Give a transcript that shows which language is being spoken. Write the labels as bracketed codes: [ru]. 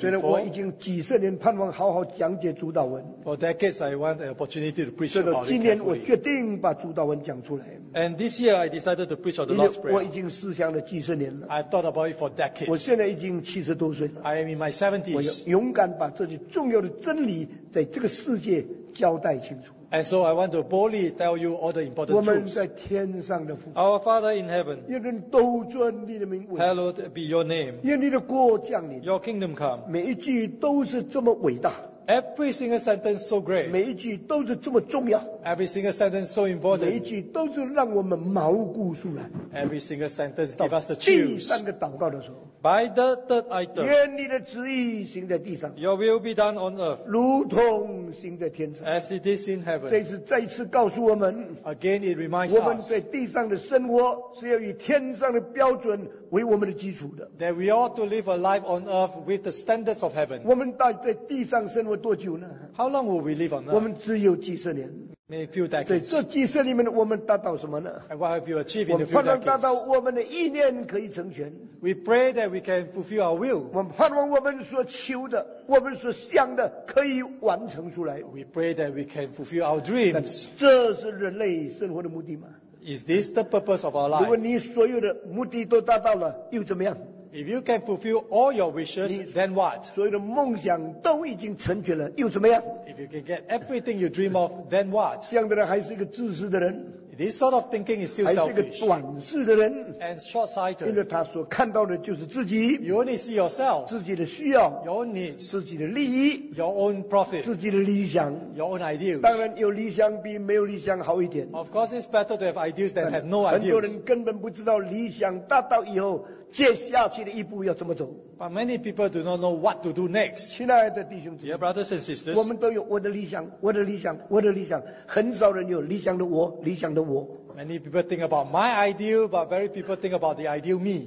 [zh] 虽然我已经几十年盼望好好讲解主导文。 [en] For decades I want an opportunity to preach about it carefully. [zh] 今年我决定把主导文讲出来。 [en] And this year I decided to preach on the Lord's Prayer. [zh] 我已经思想了几十年了。 [en] I've thought about it for decades. [zh] 我现在已经70多岁了。 [en] I am in my 70s. [zh] 我勇敢把这些重要的真理在这个世界交代清楚。 [en] And so I want to boldly tell you all the important truths. [zh] 我们在天上的父, [en] Our Father in heaven, [zh] 愿人都尊你的名为, [en] hallowed be your name, [zh] 愿你的国降临, [en] your kingdom come. [zh] 每一句都是这么伟大, [en] Every single sentence so great. [zh] 每一句都是这么重要, [en] every single sentence so important. [zh] 每一句都是让我们毛骨悚然, [en] every single sentence give us the chills. By the third item. [zh] 愿你的旨意行在地上, [en] your will be done on earth. [zh] 如同行在天上, [en] as it is in heaven. [zh] 这次再次告诉我们, [en] again it reminds us. [zh] 我们在地上的生活是要以天上的标准, [en] that we ought to live a life on earth with the standards of heaven. How long will we live on earth? [zh] 我们只有几十年, [en] a few decades. And what have you achieved in a few decades? We pray that we can fulfill our will. [zh] 我们盼望我们所求的, 我们所想的可以完成出来, [en] we pray that we can fulfill our dreams. [zh] 这是人类生活的目的吗? [en] Is this the purpose of our life? [zh] 如果你所有的目的都达到了, 又怎么样? [en] If you can fulfill all your wishes, then what? [zh] 所有的梦想都已经成全了, 又怎么样? [en] If you can get everything you dream of, then what? [zh] 这样的人还是个自私的人, [en] this sort of thinking is still selfish and short-sighted. [zh] 因为他所看到的就是自己, [en] you only see yourself, [zh] 自己的需要, [en] your needs, [zh] 自己的利益, [en] your own profit, [zh] 自己的理想, [en] your own ideals. [zh] 当然有理想比没有理想好一点, [en] of course it's better to have ideals than have no ideals. [zh] 很多人根本不知道理想达到以后, 接下去的一步要怎么走? [en] But many people do not know what to do next. [zh] 亲爱的弟兄姊妹, [en] dear brothers and sisters, [zh] 我们都有我的理想, 我的理想, 我的理想, 很少人有理想的我, 理想的我。 [en] Many people think about my ideal, but very people think about the ideal me.